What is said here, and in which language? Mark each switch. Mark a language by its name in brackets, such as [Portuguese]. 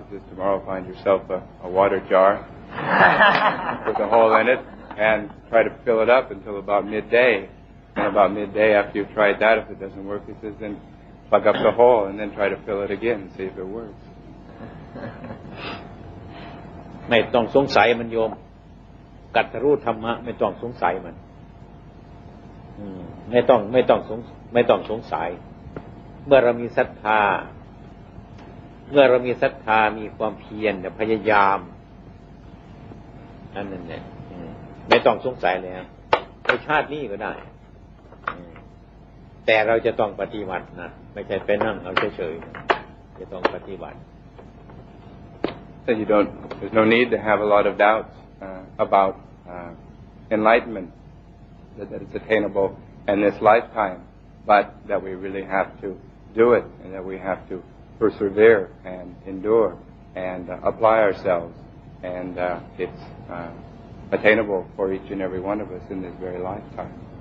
[English] Just tomorrow find yourself a water jar with a hole in it and try to fill it up until about midday. About midday, after you've tried that, if it doesn't work, he says, then plug up the hole and then try to fill it again and see if it works. [Thai] ไม่ต้องสงสัยมันโยมกัตถรูปธรรมะไม่ต้องสงสัยมันไม่ต้องสงสัยเมื่อเรามีศรัทธาเมื่อเรามีความเพียรพยายามนั่นไม่ต้องสงสัยเลยในชาตินี้ก็ได้แต่เราจะต้องปฏิบัตินะไม่ใช่ไปนั่งเอาเฉยๆจะต้องปฏิบัติ [English] So you don't there's no need to have a lot of doubts about enlightenment that it's attainable in this lifetime but that we really have to do it and that we have to persevere and endure and apply ourselves and it's attainable for each and every one of us in this very lifetime